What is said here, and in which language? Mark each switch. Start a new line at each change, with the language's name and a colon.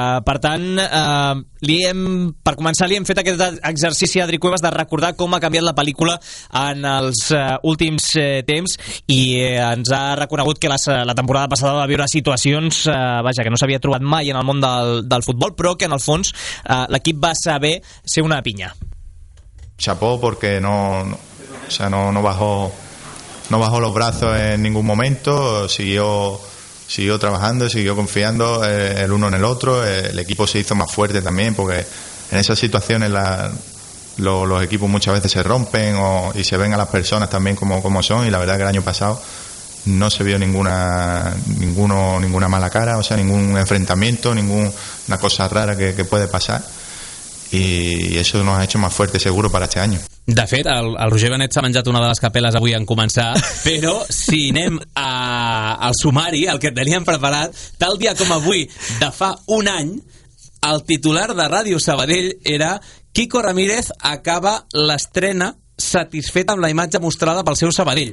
Catalan: Per tant, per començar, li hem fet aquest exercici a Adri Cuevas de recordar com ha canviat la pel·lícula en els últims temps i ens ha reconegut que la temporada passada va viure situacions que no s'havia trobat mai en el món del futbol, però que en el fons l'equip va saber ser una pinya.
Spanish: Chapó, porque no bajó los brazos en ningún momento, siguió trabajando, siguió confiando el uno en el otro, el equipo se hizo más fuerte también, porque en esas situaciones los equipos muchas veces se rompen y se ven a las personas también como son, y la verdad que el año pasado no se vio ninguna mala cara, o sea, ningún enfrentamiento, ninguna cosa rara que puede pasar, y eso nos ha hecho más fuerte seguro para este año.
Catalan: De fet, el Roger Benet s'ha menjat una de les capeles avui en començar, però si anem al sumari, el que teníem preparat, tal dia com avui, de fa un any, el titular de Ràdio Sabadell era Quico Ramírez acaba l'estrena satisfet amb la imatge mostrada pel seu Sabadell.